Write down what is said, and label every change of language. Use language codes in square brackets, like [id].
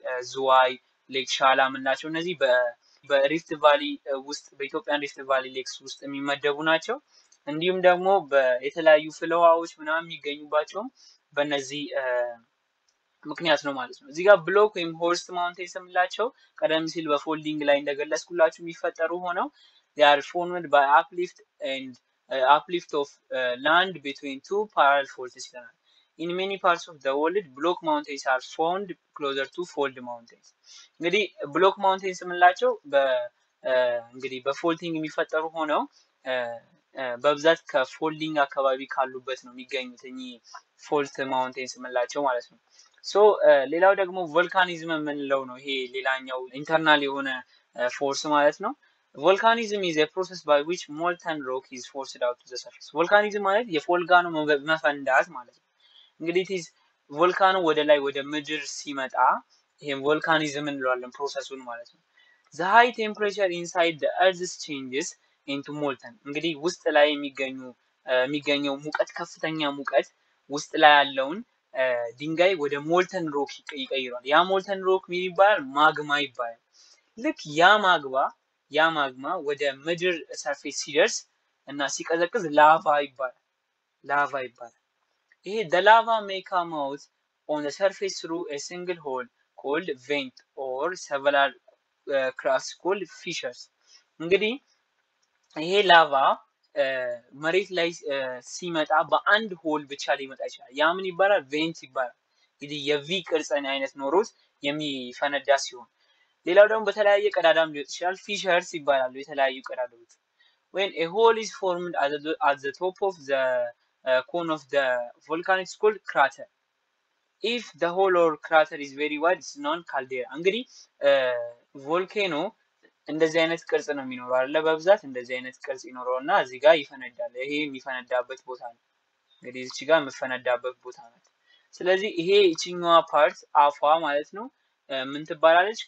[am] ዝዋይ ሌክ፣ ሻላ የምንላቸው እነዚህ በሪፍት ቫሊ ውስጥ በኢትዮጵያን ሪፍት ቫሊ ሌክስ ውስጥ የሚመደቡ ናቸው። እንዲሁም ደግሞ የተለያዩ ፍለዋዎች ምናምን የሚገኙባቸውም በእነዚህ ምክንያት ነው ማለት ነው። እዚህ ጋር ብሎክ ወይም ሆርስት ማውንቴንስ የምንላቸው ቀደም ሲል በፎልዲንግ ላይ እንደገለጽኩላችሁ የሚፈጠሩ ሆነው [en] they are formed by uplift and uplift of land between two parallel faults. In many parts of the world, block mountains are found closer to fold mountains. [am] እንግዲህ ብሎክ ማውንቴንስ የምንላቸው እንግዲህ በፎልቲንግ የሚፈጠሩ ሆነው በብዛት ከፎልዲንግ አካባቢ ካሉበት ነው የሚገኙት እኚህ ፎልት ማውንቴንስ የምንላቸው ማለት ነው። ሶ ሌላው ደግሞ ቮልካኒዝም የምንለው ነው። ይሄ ሌላኛው ኢንተርናል የሆነ ፎርስ ማለት ነው። [en] ቮልካኒዝም ኢዝ አ ፕሮሰስ ባይ ዊች ሞልተን ሮክ ኢዝ ፎርስድ አውት ቱ ዘ ሰርፌስ። [am] ቮልካኒዝም ማለት የቮልካኖ መፈንዳት ማለት ነው። እንግዲህ [en] ኢት ኢዝ ቮልካኖ [am] ወደ ላይ ወደ ምድር ሲመጣ ይሄን ቮልካኒዝም እንለዋለን ፕሮሰሱን ማለት ነው። [en] ዘ ሃይ ቴምፕሬቸር ኢንሳይድ ዘ አርዝስ ቼንጅስ ኢንቱ ሞልተን። [am] እንግዲህ ውስጥ ላይ የሚገኘው ሙቀት፣ ከፍተኛ ሙቀት ውስጥ ላይ ያለውን ድንጋይ ወደ ሞልተን ሮክ ይቀይረዋል። ያ ሞልተን ሮክ ምን ይባላል? ማግማ ይባላል። ልክ ያ ማግማ ወደ ምድር ሰርፌስ ሲደርስ እና ሲቀዘቅዝ ላቫ ይባላል። ላቫ ይባላል። ይሄ [en] the lava may come out on the surface through a single hole called vent or several cracks called fissures. [am] እንግዲህ ይሄ ላቫ መሬት ላይ ሲመጣ በአንድ ሆል ብቻ ሊመጣ ይችላል። ያ ምን ይባላል? ቬንት ይባላል። እንግዲህ የቪ ቅርጽን አይነት ኖሮት የሚፈነዳ ሲሆን፣ ሌላው ደግሞ በተለያየ ቀዳዳም ሊወጥ ይችላል። ፊሸርስ ይባላሉ የተለያዩ ቀዳዳዎች። [en] when a hole is formed at the top of the cone of the volcanic called crater. if the hole or crater is very wide it's known caldera. [am] እንግዲህ ቮልካኖ እንደዚህ አይነት ቅርጽ ነው የሚኖረው አለ በብዛት እንደዚህ አይነት ቅርጽ ይኖረውና እዚህ ጋር ይፈነዳል። ይሄ የሚፈነዳበት ቦታ ነው። እንግዲህ እዚህ ጋር የሚፈነዳበት ቦታ ነው። ስለዚህ ይሄ እቺኛዋ ፓርት አፏ ማለት ነው ምን ትባላለች?